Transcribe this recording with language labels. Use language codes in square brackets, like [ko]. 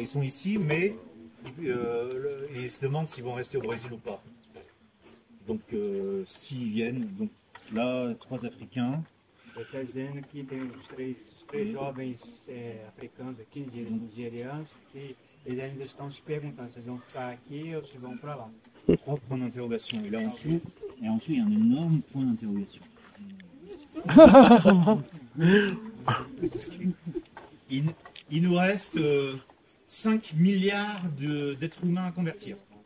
[fr] Ils sont ici, mais ils se demandent s'ils vont rester au Brésil ou pas. Donc, s'ils viennent. Donc, là, trois Africains. [pt] Está dizendo que tem uns três jovens africanos aqui, nigerianos, que eles ainda estão se perguntando se eles vão ficar aqui ou se vão para lá. [fr] Trois points d'interrogation. Et là en dessous, et en dessous, il y a un énorme point d'interrogation. Il nous reste 5 milliards d'êtres humains à convertir.